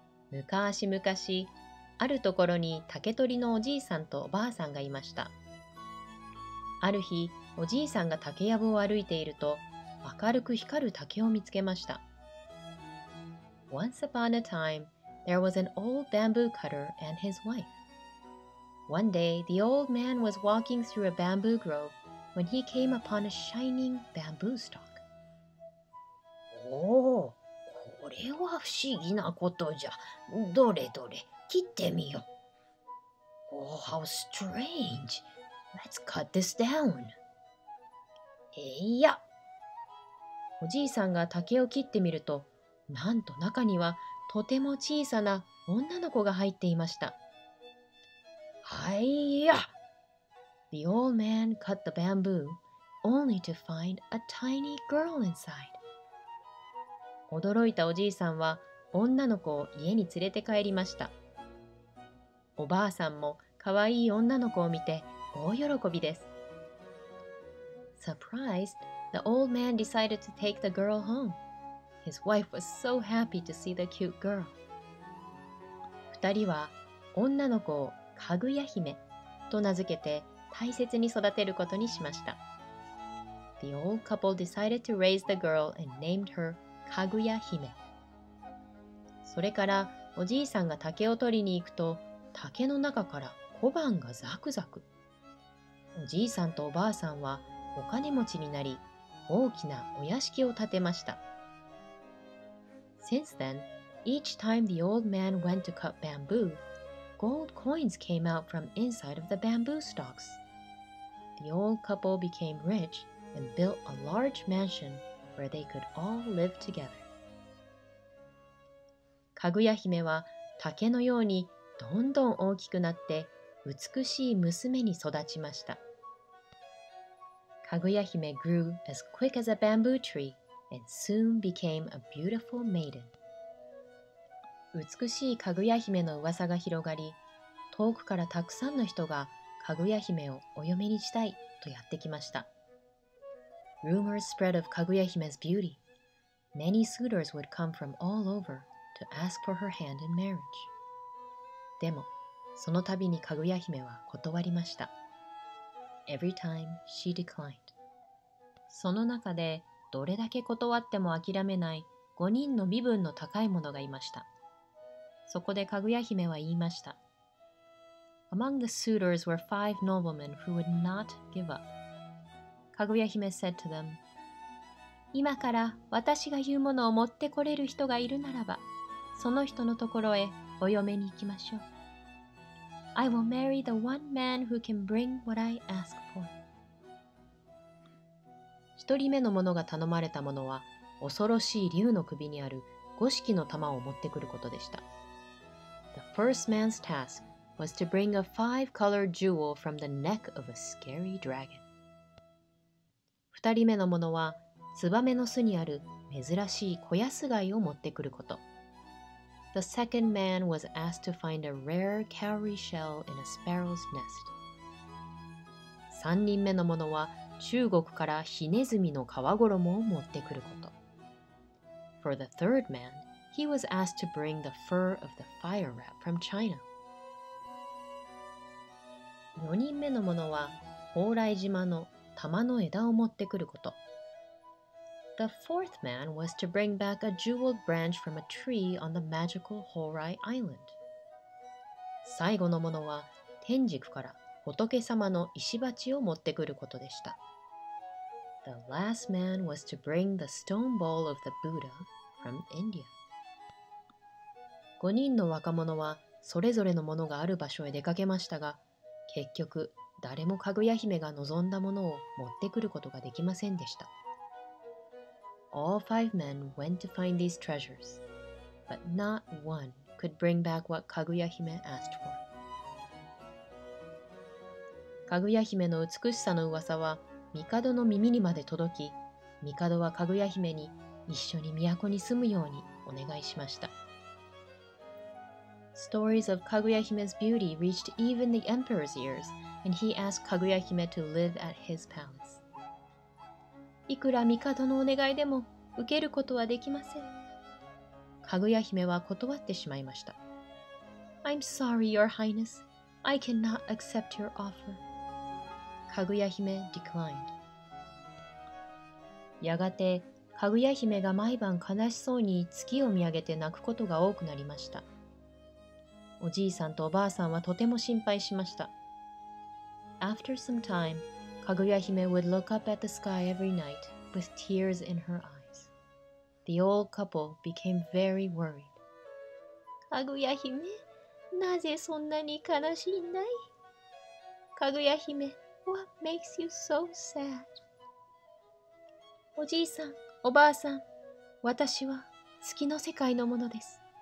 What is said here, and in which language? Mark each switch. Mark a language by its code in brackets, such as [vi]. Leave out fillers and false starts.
[ja] 昔昔、あるところに竹取りのおじいさんとおばあさんがいました。ある日、おじいさんが竹やぶを歩いていると明るく光る竹を見つけました。 [en] Once upon a time, there was an old bamboo cutter and his wife. One day, the old man was walking through a bamboo groveWhen he came upon a shining bamboo stalk. [ja] Oh, これは不思議なことじゃ。どれどれ、切ってみよう。 [en] Oh, how strange. Let's cut this down. [ja] えいや。おじいさんが竹を切ってみると、なんと中にはとても小さな女の子が入っていました。はいや。 [en] The old man cut the bamboo, only to find a tiny girl inside. [ja] 驚いたおじいさんは女の子を家に連れて帰りました。おばあさんもかわいい女の子を見て大喜びです。 [en] Surprised, the old man decided to take the girl home. His wife was so happy to see the cute girl. [ja] 二人は女の子をかぐや姫と名付けて大切に育てることにしました。 [en] The old couple decided to raise the girl and named her Kaguya Hime. [ja] それからおじいさんが竹を取りに行くと、竹の中から小判がザクザク。おじいさんとおばあさんはお金持ちになり、大きなお屋敷を建てました。 [en] Since then, each time the old man went to cut bamboo,Gold coins came out from inside of the bamboo stalks. The old couple became rich and built a large mansion where they could all live together. [ja] かぐや姫は竹のようにどんどん大きくなって美しい娘に育ちました。 [en] かぐや姫 grew as quick as a bamboo tree and soon became a beautiful maiden. [ja] 美しいかぐや姫の噂が広がり、遠くからたくさんの人がかぐや姫をお嫁にしたいとやってきました。 [en] Rumors spread of かぐや姫's beauty. Many suitors would come from all over to ask for her hand in marriage. [ja] でも、その度にかぐや姫は断りました。 [en] Every time she declined. [ja] その中で、どれだけ断っても諦めない5人の身分の高い者がいました。そこでかぐや姫は言いました。 [en] Among the suitors were five noblemen who would not give up. [ja] かぐや姫 [en] said to them, [ja] 今から私が言うものを持ってこれる人がいるならば、その人のところへお嫁に行きましょう。 [en] I will marry the one man who can bring what I ask for. [ja] 一人目の者が頼まれたものは、恐ろしい竜の首にある五色の玉を持ってくることでした。 [en] The first man's task was to bring a five-colored jewel from the neck of a scary dragon. [ja] 二人目のものは、ツバメの巣にある珍しい小屋巣貝を持ってくること。 [en] The second man was asked to find a rare cowrie shell in a sparrow's nest. [ja] 三人目のものは、中国からヒネズミの皮衣を持ってくること。 [en] For the third man,He was asked to bring the fur of the fire rat from China. [ja] 4人目のものは、蓬莱島の玉の枝を持ってくること。 [en] The fourth man was to bring back a jeweled branch from a tree on the magical Horai Island. [ja] 最後のものは、天竺から仏様の石鉢を持ってくることでした。 [en] The last man was to bring the stone bowl of the Buddha from India. [ja] 5人の若者はそれぞれのものがある場所へ出かけましたが、結局誰もかぐや姫が望んだものを持ってくることができませんでした。 [en] All five men went to find these treasures, but not one could bring back what かぐや姫 asked for. [ja] かぐや姫の美しさの噂は帝の耳にまで届き、帝はかぐや姫に一緒に都に住むようにお願いしました。 [en] Stories of Kaguya Hime's beauty reached even the emperor's ears, and he asked Kaguya Hime to live at his palace. [ja] いくら帝のお願いでも受けることはできません。かぐや姫は断ってしまいました。 [en] I'm sorry, Your Highness. I cannot accept your offer. かぐや姫 declined. [ja] やがて、かぐや姫が毎晩悲しそうに月を見上げて泣くことが多くなりました。おじいさんとおばあさんはとても心配しました。 [en] After some time, かぐや姫 would look up at the sky every night with tears in her eyes. The old couple became very worried. [ja] かぐや姫、なぜそんなに悲しいんだい？ [en] かぐや姫、What makes you so sad? [ja] おじいさん、おばあさん、私は月の世界のものです。